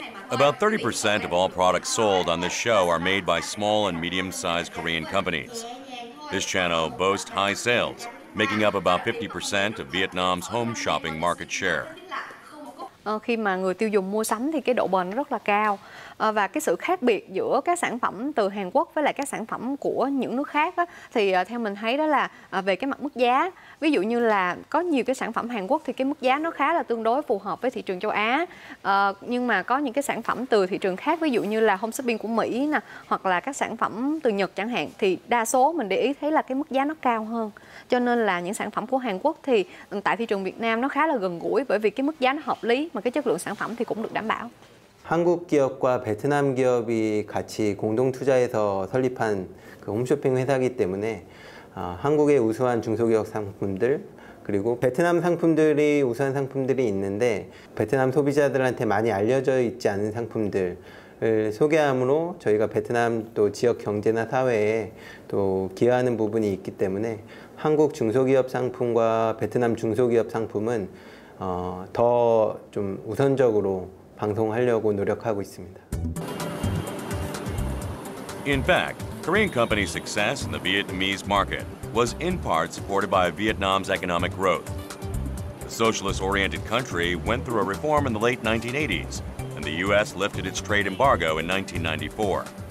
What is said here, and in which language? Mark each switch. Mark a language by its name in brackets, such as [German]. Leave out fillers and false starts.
[English] About 30% of all products sold on this show are made by small and medium-sized Korean companies. This channel boasts high sales, making up about 50% of Vietnam's home shopping market share. [Vietnamese] Khi mà người tiêu dùng mua sắm thì cái độ bền rất là cao. Và cái sự khác biệt giữa các sản phẩm từ Hàn Quốc với lại các sản phẩm của những nước khác á, thì theo mình thấy đó là về cái mặt mức giá. Ví dụ như là có nhiều cái sản phẩm Hàn Quốc thì cái mức giá nó khá là tương đối phù hợp với thị trường châu Á. Nhưng mà có những cái sản phẩm từ thị trường khác, ví dụ như là home shopping của Mỹ nè, hoặc là các sản phẩm từ Nhật chẳng hạn, thì đa số mình để ý thấy là cái mức giá nó cao hơn. Cho nên là những sản phẩm của Hàn Quốc thì tại thị trường Việt Nam nó khá là gần gũi, bởi vì cái mức giá nó hợp lý mà cái chất lượng sản phẩm thì cũng được đảm bảo. [Korean] 한국 기업과 베트남 기업이 같이 공동 투자해서 설립한 그 홈쇼핑 회사이기 때문에 한국의 우수한 중소기업 상품들 그리고 베트남 상품들이 우수한 상품들이 있는데 베트남 소비자들한테 많이 알려져 있지 않은 상품들을 소개함으로 저희가 베트남 또 지역 경제나 사회에 또 기여하는 부분이 있기 때문에 한국 중소기업 상품과 베트남 중소기업 상품은 더 좀 우선적으로 방송하려고 노력하고 있습니다. [English] In fact, Korean company's success in the Vietnamese market was in part supported by Vietnam's economic growth. The socialist-oriented country went through a reform in the late 1980s, and the U.S. lifted its trade embargo in 1994.